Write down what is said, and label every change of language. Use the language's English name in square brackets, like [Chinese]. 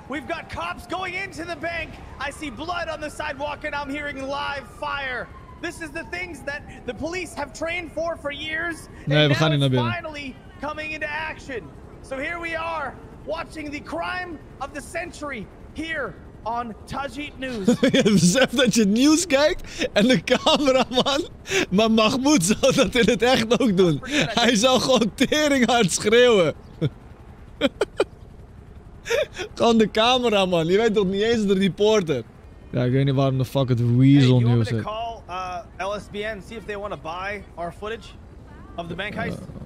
[English] We've got cops going into the bank. I see blood on the sidewalk, and I'm hearing live fire. This is the things that the police have trained for years. [Dutch] Nee, [English] and we now [Dutch] gaan [English] it's finally coming into action. So here we are, watching the crime of the century here on Tajine News. [Dutch] Besef dat je nieuws kijkt en de cameraman. Maar Mahmud zou dat in het echt ook doen. Hij zou gewoon teringhard schreeuwen. Gewoon de cameraman, je weet toch niet eens de reporter. Ja, ik weet niet waarom de fuck het weasel nieuws is. [English] Hey, you want me to call LSBN, see if they want to buy our footage of the bank heist?